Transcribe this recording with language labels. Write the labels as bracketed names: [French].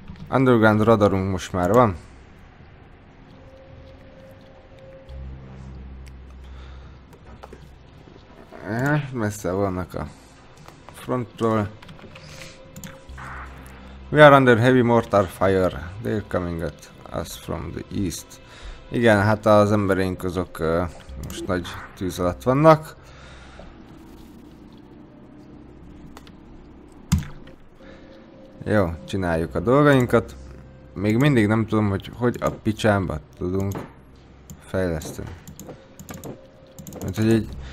[Hungarian] Underground radarunk most már van. Messze vannak a frontról. [English] We are under heavy mortar fire. They are coming at us from the east. [Hungarian] Igen, hát az embereink azok most nagy tűz alatt vannak. Jó, csináljuk a dolgainkat. Még mindig nem tudom, hogy hogy a picsámba tudunk fejleszteni. Mert hogy egy...